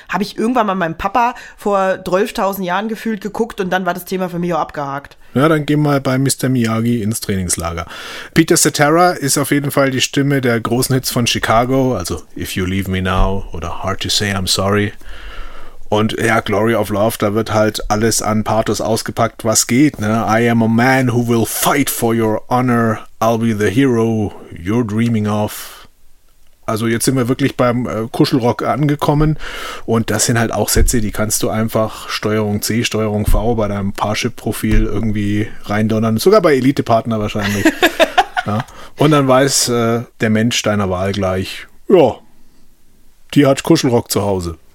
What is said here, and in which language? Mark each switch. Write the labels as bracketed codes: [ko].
[de] Habe ich irgendwann mal meinem Papa vor 12.000 Jahren gefühlt geguckt und dann war das Thema für mich auch abgehakt. Ja, dann gehen wir mal bei Mr. Miyagi ins Trainingslager. Peter Cetera ist auf jeden Fall die Stimme der großen Hits von Chicago, also If You Leave Me Now oder Hard to Say I'm Sorry. Und ja, Glory of Love, da wird halt alles an Pathos ausgepackt, was geht. Ne? [en] I am a man who will fight for your honor. I'll be the hero you're dreaming of. [de] Also jetzt sind wir wirklich beim Kuschelrock angekommen und das sind halt auch Sätze, die kannst du einfach Steuerung C, Steuerung V bei deinem Parship-Profil irgendwie reindonnern, sogar bei Elite-Partner wahrscheinlich. Ja. Und dann weiß der Mensch deiner Wahl gleich, ja, die hat Kuschelrock zu Hause.